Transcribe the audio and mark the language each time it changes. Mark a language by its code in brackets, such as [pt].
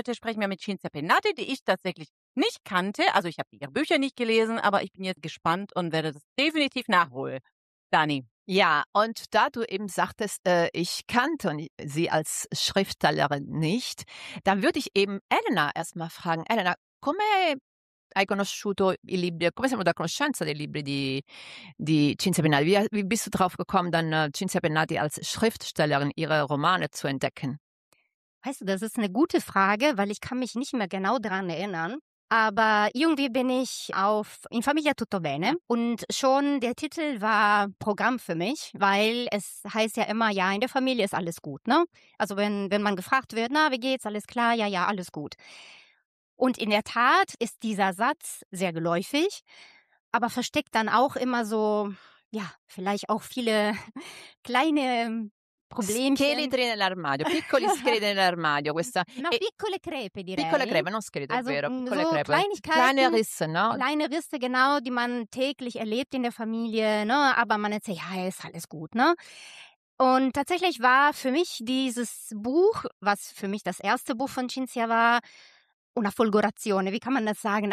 [de] Heute sprechen wir mit Cinzia Pennati, die ich tatsächlich nicht kannte. Also ich habe ihre Bücher nicht gelesen, aber ich bin jetzt gespannt und werde das definitiv nachholen. Dani. Ja, und da du eben sagtest, ich kannte sie als Schriftstellerin nicht, dann würde ich eben Elena erstmal fragen. [it] Elena, come hai conosciuto i libri? Come siamo da conoscenza dei libri di Cinzia Pennati? [de] Wie bist du drauf gekommen, dann Cinzia Pennati als Schriftstellerin ihre Romane zu entdecken? Weißt du, das ist eine gute Frage, weil ich kann mich nicht mehr genau daran erinnern. Aber irgendwie bin ich auf In Famiglia Tutto Bene und schon der Titel war Programm für mich, weil es heißt ja immer, ja, in der Familie ist alles gut, ne? Also wenn man gefragt wird, na, wie geht's, alles klar, ja, alles gut. Und in der Tat ist dieser Satz sehr geläufig, aber versteckt dann auch immer so, ja, vielleicht auch viele kleine Problemchen. [it] Scheletri nell'armadio, piccoli scheletri nell'armadio. Questa. Ma piccole crepe, direi. Piccole crepe, non scheletri, [de] also, [it] vero. Piccole [de] so [it] crepe. [de] Kleinigkeiten. Kleine Risse, no? Kleine Risse, genau, die man täglich erlebt in der Familie, ne? Aber man erzählt, ja, ist alles gut, ne? Und tatsächlich war für mich dieses Buch, was für mich das erste Buch von Cinzia war, [it] una folgorazione, [de] wie kann man das sagen?